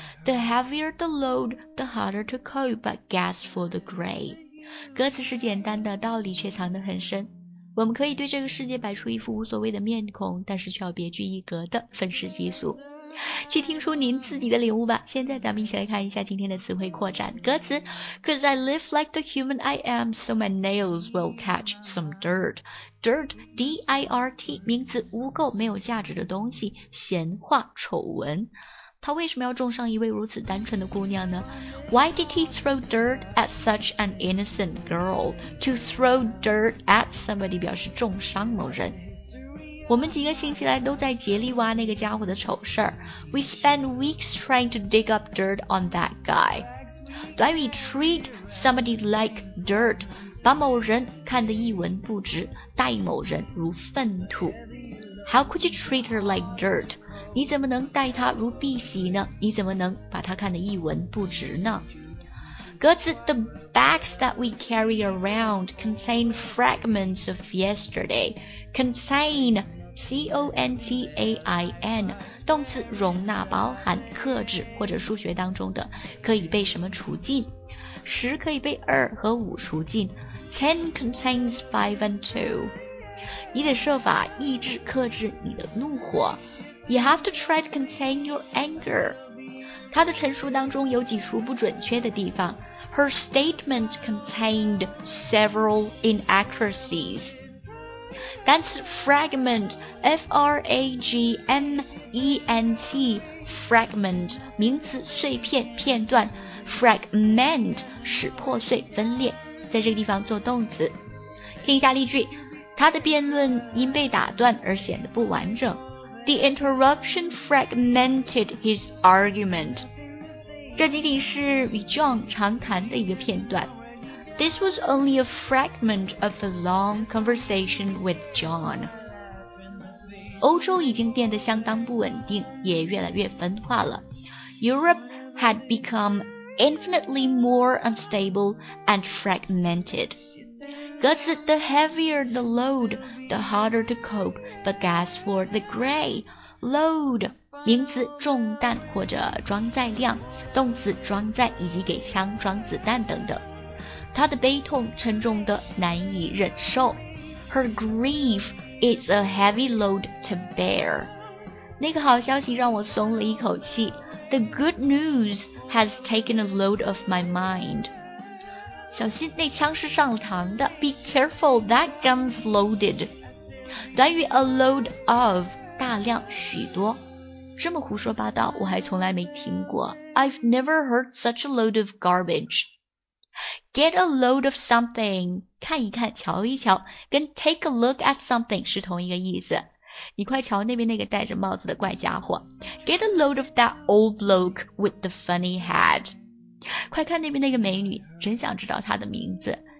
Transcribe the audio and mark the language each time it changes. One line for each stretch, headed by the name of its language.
English: The heavier the load, the harder to cope, but gas for the gray.
Chinese: 歌词是简单的，道理却藏得很深。我们可以对这个世界摆出一副无所谓的面孔，但是却要别具一格的愤世嫉俗。去听出您自己的领悟吧。现在咱们一起来看一下今天的词汇扩展歌词。
English: Cause I live like the human I am, so my nails will catch some dirt.
Chinese: Dirt, D-I-R-T, 名词，污垢，没有价值的东西，闲话，丑闻。他为什么要重伤一位如此单纯的姑娘呢？
English: Why did he throw dirt at such an innocent girl? To throw dirt at somebody
Chinese: 表示重伤某人。我们几个星期来都在竭力挖那个家伙的丑事儿。
English: We spend weeks trying to dig up dirt on that guy. 短语 treat somebody like dirt
Chinese: 把某人看得一文不值，待某人如粪土。
English: How could you treat her like dirt?
Chinese: 你怎么能待她如敝屣呢？你怎么能把她看得一文不值呢？
English: 歌词 The bags that we carry around contain fragments of yesterday.
Chinese: Contain, C-O-N-T-A-I-N, 动词容纳包含克制或者数学当中的可以被什么除尽。十可以被二和五除尽。
English: Ten contains five and two.
Chinese: 你得设法抑制克制你的怒火。
English: You have to try to contain your anger.
Chinese: 他的陈述当中有几处不准确的地方。
English: Her statement contained several inaccuracies.
Chinese: 单词 fragment, F-R-A-G-M-E-N-T, fragment, 名词碎片、片段 fragment, 使破碎、分裂，在这个地方做动词。听一下例句，他的辩论因被打断而显得不完整。
English: The interruption fragmented his argument.
Chinese: 这仅仅是与 John 长谈的一个片段。
English: This was only a fragment of a long conversation with John.
Chinese: 欧洲已经变得相当不稳定，也越来越分化了。
English: Europe had become infinitely more unstable and fragmented. 歌词 The heavier the load, the harder to cope, but gas for the gray. Load.
Chinese: 名词重弹或者装载量，动词装载以及给枪装子弹等等。她的悲痛沉重的难以忍受。
English: Her grief is a heavy load to bear.
Chinese: 那个好消息让我松了一口气。
English: The good news has taken a load off my mind.
Chinese: 小心，那枪是上了膛的。
English: Be careful, that gun's loaded.
Chinese: 短语 a load of, 大量许多。这么胡说八道我还从来没听过。
English: I've never heard such a load of garbage. Get a load of something,
Chinese: 看一看瞧一瞧跟
English: take a look at something
Chinese: 是同一个意思。你快瞧那边那个戴着帽子的怪家伙。
English: Get a load of that old bloke with the funny hat.
Chinese: 快看那边那个美女，真想知道她的名字。